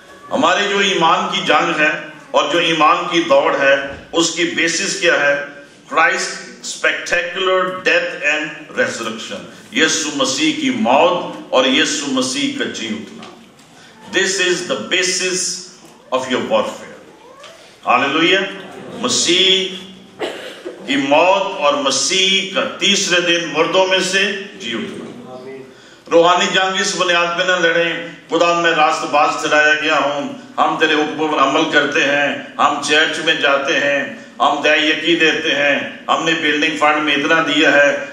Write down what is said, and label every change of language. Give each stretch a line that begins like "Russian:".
Urdu: ہمارے جو ایمان کی جنگ ہے اور جو ایمان کی دوڑ ہے اس کی بیسس کیا ہے؟
English: Christ spectacular death and resurrection.
Urdu: یسوع مسیح کی موت اور یسوع مسیح کا جی اٹھنا.
English: This is the basis of your warfare. Hallelujah.
Urdu: مسیح کی موت اور مسیح کا تیسرے دن مردوں میں سے جی اٹھنا. روحانی جنگ اس بنیاد پہ نہ لڑیں خدا میں راست باز چلایا گیا ہوں, ہم تیرے حکموں پر عمل کرتے ہیں, ہم چرچ میں جاتے ہیں, ہم دعائی یقین دیتے ہیں, ہم نے بلڈنگ فنڈ میں اتنا دیا ہے.